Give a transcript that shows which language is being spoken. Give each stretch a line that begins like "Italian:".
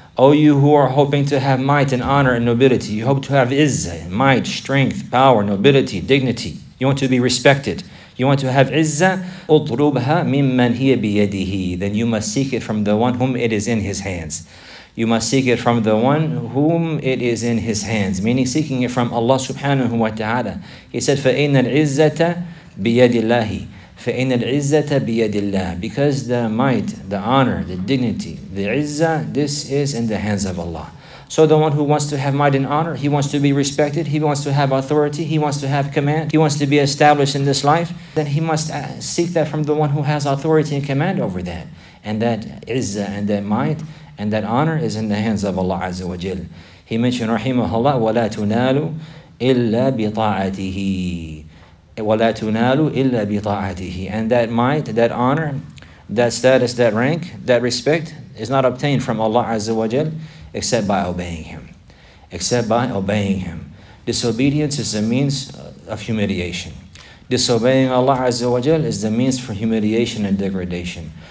English: O you who are hoping to have might and honor and nobility, you hope to have izzah, might, strength, power, nobility, dignity. You want to be respected. You want to have izzah.
Arabic: أُطْلُوبْهَا مِمَّنْ هِيَ بِيَدِهِ.
English: Then you must seek it from the one whom it is in his hands. You must seek it from the one whom it is in his hands. Meaning seeking it from Allah subhanahu wa ta'ala. He said,
Arabic: فَإِنَّ الْعِزَّةَ بِيَدِ اللَّهِ. فَإِنَّ الْعِزَّةَ بِيَدِ اللَّهِ.
English: Because the might, the honor, the dignity, the izzah, this is in the hands of Allah. So the one who wants to have might and honor, he wants to be respected, he wants to have authority, he wants to have command, he wants to be established in this life, then he must seek that from the one who has authority and command over that. And that izzah and that might and that honor is in the hands of Allah Azza wa Jal. He mentioned,
Arabic: رَحِمَهَ وَلَا تُنَالُ إِلَّا بِطَاعَتِهِ. وَلَا تُنَالُ إِلَّا بِطَاعَتِهِ.
English: And that might, that honor, that status, that rank, that respect is not obtained from Allah Azza wa Jal except by obeying Him. Except by obeying Him. Disobedience is the means of humiliation. Disobeying Allah Azza wa Jal is the means for humiliation and degradation.